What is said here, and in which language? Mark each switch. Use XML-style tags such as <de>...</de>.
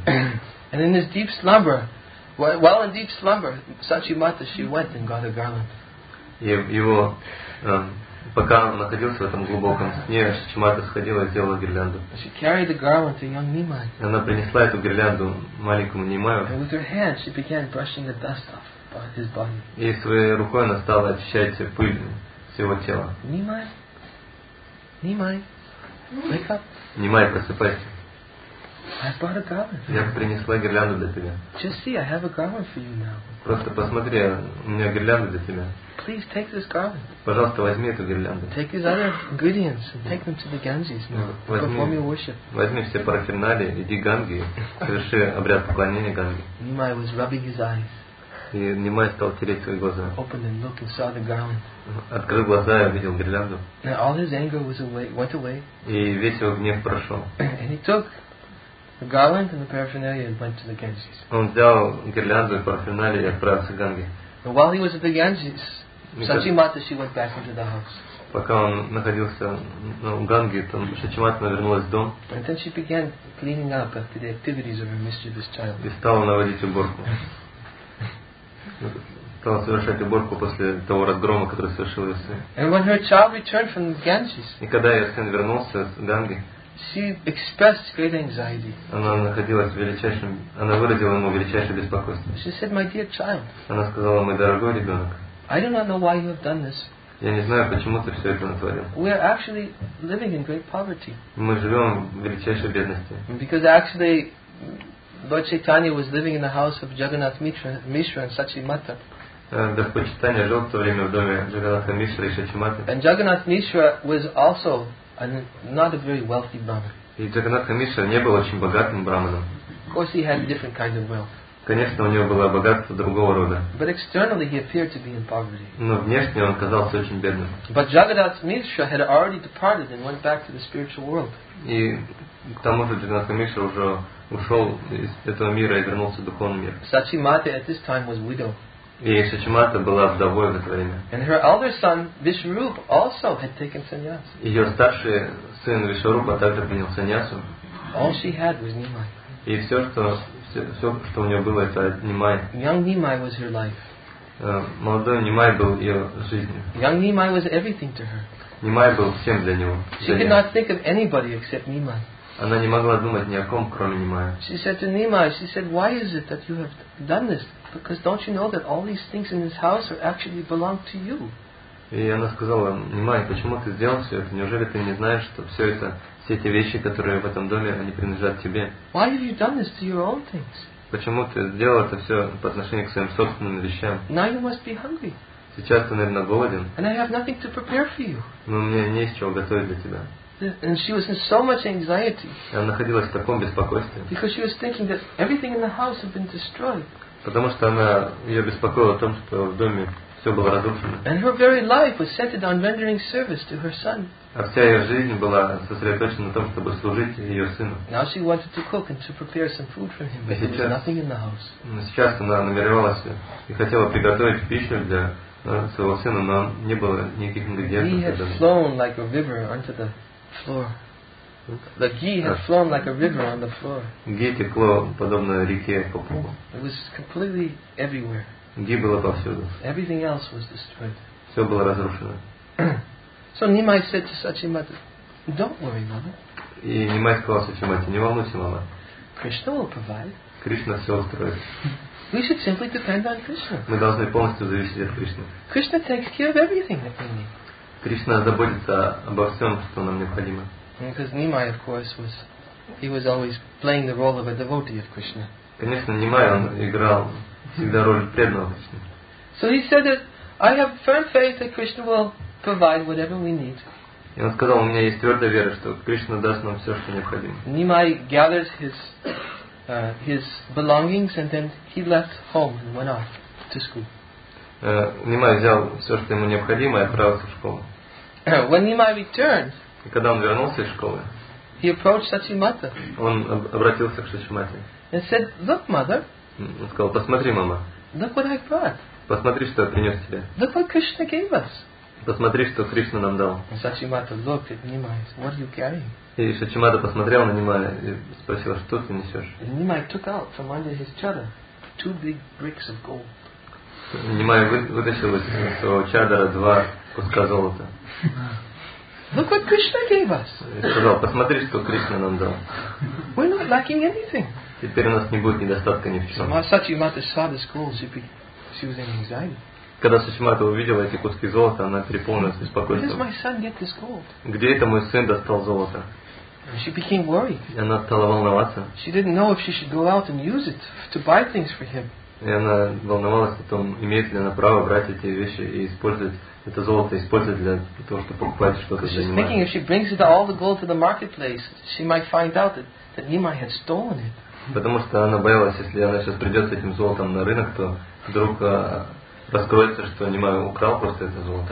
<en>And in his deep slumber, while in deep slumber, Сачимата she went and got a garland.</en> <ru>И его пока он находился в этом глубоком сне, Сачимата сходила и сделала гирлянду.</ru> <en>She carried the garland to young Nimai.</en> <ru>Она принесла эту гирлянду маленькому Нимаю.</ru> <en>And with her hand she began brushing the dust off his body.</en> <ru>И своей рукой она стала очищать пыль с его тела.</ru> <en>Nimai. Nimai. Wake up.</en> <ru>Внимай, просыпайся.</ru> <en>I bought a garment.</en> <ru>Я принесла гирлянду для тебя.</ru> <en>Just see, I have a garment for you now.</en> <ru>Просто посмотри, у меня гирлянда для тебя.</ru> <en>Please take this garment.</en> <ru>Пожалуйста, возьми эту гирлянду.</ru> <en>Take these other ingredients and take them to the Ganges now.</en> <ru>Возьми,</ru> <en>perform your worship.</en> <ru>Возьми все парафернали, иди к Ганге, соверши обряд поклонения Ганге.</ru> <en>Нимай was rubbing his eyes.</en> <ru>И Нимай стал тереть свои глаза.</ru> <en>Opened and looked and saw the garment.</en> <ru>Открыл глаза и увидел гирлянду.</ru> <en>And all his anger was away, went away.</en> <ru>И весь его гнев прошел.</ru> <en>And he took the garland and the paraphernalia and went to the Ganges.</en> <ru>Он взял гирлянду и парафернали и отправился к Ганге.</ru> <en>And while he was at the Ganges, Сачи Мата, she went back into the house.</en> <ru>Пока он находился в Ганге, там Сачи Мата вернулась в дом.</ru> <en>And then she began cleaning up after the activities of her mischievous child.</en> <ru>И стала наводить уборку. Стала совершать уборку после того разгрома, который совершил ее сын.</ru> <en>And when her child returned from the Ganges,</en> <ru>и когда ее сын вернулся с Ганги,</ru> <en>she expressed great anxiety.</en> <ru>Она находилась в величайшем, она выразила ему величайшее беспокойство.</ru> <en>She said, "My dear child."</en> <ru>Она сказала, мой дорогой ребенок.</ru> <en>I do not know why you have done this.</en> <ru>Я не знаю, почему ты все это натворил.</ru> <en>We are actually living in great poverty.</en> <ru>Мы живем в величайшей бедности.</ru> <en>Because actually, Lord Chaitanya was living in the house of Jagannath Mishra and Sachimata.</en> <ru>Господь Чайтанья жил в то время в доме Джаганнатха Мишры и Сачимата.</ru> <en>And Jagannath Mishra was also and not a very wealthy brahmin.</en> <ru>И Джаганнатха Мишра не был очень богатым браманом.</ru> <en>Of course, he had different kinds of wealth.</en> <ru>Конечно, у него было богатство другого рода.</ru> <en>But externally, he appeared to be in poverty.</en> <ru>Но внешне он казался очень бедным.</ru> <en>But Jagannath Mishra had already departed and went back to the spiritual world.</en> <ru>И к тому же Джаганнатха Мишра уже ушел из этого мира и вернулся в духовный мир.</ru> <en>Сачи Мата at this time was widow.</en> <ru>И Сачи Мата была вдовой в это время.</ru> <en>And her elder son Vishwarupa also had taken sannyas.</en> <ru>Ее старший сын Вишварупа также принял саньясу.</ru> <en>All she had was Nimai.</en> <ru>И все, что у нее было, это Nimai.</ru> <en>Young Nimai was her life.</en> <ru>Молодой Nimai был ее жизнью.</ru> <en>Young Nimai was everything to her.</en> <ru>Nimai был всем для него.</ru> <en>She could not think of anybody except Nimai.</en> <ru>Она не могла думать ни о ком, кроме Nimai.</ru> <en>She said to Nimai, she said, "Why is it that you have done this? Because don't you know that all these things in this house are actually belong to you?"</en> <ru>И она сказала, Nimai, почему ты сделал все это? Неужели ты не знаешь, что все это, все эти вещи, которые в этом доме, они принадлежат тебе?</ru> <en>Why have you done this to your own things?</en> <ru>Почему ты сделал это все по отношению к своим собственным вещам?</ru> <en>Now you must be hungry.</en> <ru>Сейчас ты, наверное, голоден.</ru> <en>And I have nothing to prepare for you.</en> <ru>Но мне не из чего готовить для тебя.</ru> <en>And she was in so much anxiety.</en> <ru>Она находилась в таком беспокойстве.</ru> <en>Because she was thinking that everything in the house had been destroyed.</en> <ru>Потому что она ее беспокоило о том, что в доме все было разрушено.</ru> <en>And her very life was centered on rendering service to her son.</en> <ru>А вся ее жизнь была сосредоточена на том, чтобы служить ее сыну.</ru> <en>Now she wanted to cook and to prepare some food for him, but there was nothing in the house.</en> <ru>Но сейчас она намеревалась и хотела приготовить пищу для своего сына, но не было никаких ингредиентов.</ru> <en>He had flown like a river onto the floor. The ghee had flown like a river on the floor.</en> <ru>Ghee текло подобно реке по полу.</ru> <en>It was completely everywhere.</en> <ru>Ghee было повсюду.</ru> <en>Everything else was destroyed.</en> <ru>Все было разрушено.</ru> <en>So Nimai said to Sachimata, "Don't worry, mother."</en> <ru>И Nimai сказал Сачимате, "Не волнуйся, мама."</ru> <en>Krishna will provide.</en> <ru>Кришна все устроит.</ru> <en>We should simply depend on Krishna.</en> <ru>Мы должны полностью зависеть от Кришны.</ru> <en>Krishna takes care of everything that we need.</en> <ru>Кришна заботится обо всем, что нам необходимо.</ru> <en>Because Nimai, of course, was he was always playing the role of a devotee of Krishna.</en> <ru>Конечно, Nimai он играл всегда роль преданного Кришны.</ru> <en>So he said that I have firm faith that Krishna will provide whatever we need.</en> <ru>И он сказал, у меня есть твердая вера, что Кришна даст нам все, что необходимо.</ru> <en>Nimai gathered his belongings and then he left home and went off to school.</en> <ru>Nimai взял все, что ему необходимо, и отправился в школу.</ru> <en>When Nimai returned.</en> <ru>И когда он вернулся из школы,</ru> <en>he approached Sachi Mata.</en> <ru>Он обратился к Сачи Мате.</ru> <en>And said, "Look, mother."</en> <ru>Он сказал, посмотри, мама.</ru> <en>Look what I brought.</en> <ru>Посмотри, что я принес тебе.</ru> <en>Look what Krishna gave us.</en> <ru>Посмотри, что Кришна нам дал.</ru> <en>And Sachi Mata looked at Nimai. What are you carrying?</en> <ru>И Сачи Мата посмотрел на Nimai и спросил, что ты несешь?</ru> <en>And Nimai took out from under his chadar two big bricks of gold.</en> <ru>Nimai вытащил из своего чадара два куска золота.</ru> <en>Look what Krishna gave us.</en> <ru>Сказал, посмотри, что Кришна нам дал.</ru> <en>We're not lacking anything.</en> <ru>Теперь у нас не будет недостатка ни в чем.</ru> <en>Sachi Mata saw this gold, she was in anxiety.</en> <ru>Когда Сачи Мата увидела эти куски золота, она переполнилась беспокойством.</ru> <en>Where did my son get this gold?</en> <ru>Где это мой сын достал золото?</ru> <en>She became worried.</en> <ru>И она стала волноваться.</ru> <en>She didn't know if she should go out and use it to buy things for him.</en> <ru>И она волновалась о том, имеет ли она право брать эти вещи и использовать это золото, использовать для того, чтобы покупать что-то для него.</ru> <en>She's thinking if she brings it all the gold to the marketplace, she might find out that he might have stolen it.</en> <ru>Потому что она боялась, если она сейчас придет с этим золотом на рынок, то вдруг раскроется, что Немай украл просто это золото.</ru>